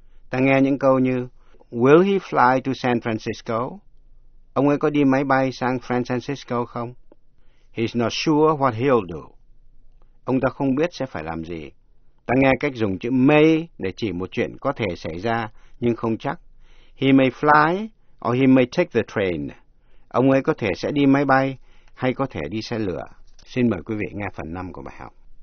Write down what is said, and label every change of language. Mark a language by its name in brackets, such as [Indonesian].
[Vietnamese] Ta nghe những câu như, [English] Will he fly to San Francisco? [Vietnamese] Ông ấy có đi máy bay sang San Francisco không? [English] He's not sure what he'll do. [Vietnamese] Ông ta không biết sẽ phải làm gì. Ta nghe cách dùng chữ may để chỉ một chuyện có thể xảy ra, nhưng không chắc. [English] He may fly, or he may take the train. [Vietnamese] Ông ấy có thể sẽ đi máy bay, hay có thể đi xe lửa. Xin mời quý vị nghe phần 5 của bài học.